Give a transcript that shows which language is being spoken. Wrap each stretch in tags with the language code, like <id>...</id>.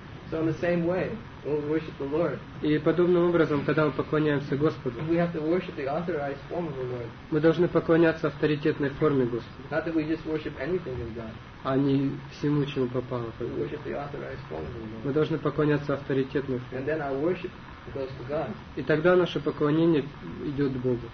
<en>So in the same way, when we worship the Lord.</en> <ru>И подобным образом, когда мы поклоняемся Господу.</ru> <en>We have to worship the authorized form of the Lord.</en> <ru>Мы должны поклоняться авторитетной форме Господа.</ru> <en>Not that we just worship anything of God.</en> <ru>А не всему, чему попало.</ru> <en>We worship the authorized form of the Lord.</en> <ru>Мы должны поклоняться авторитетной форме.</ru> <en>And then our worship goes to God.</en> <ru>И тогда наше поклонение идет к Богу.</ru>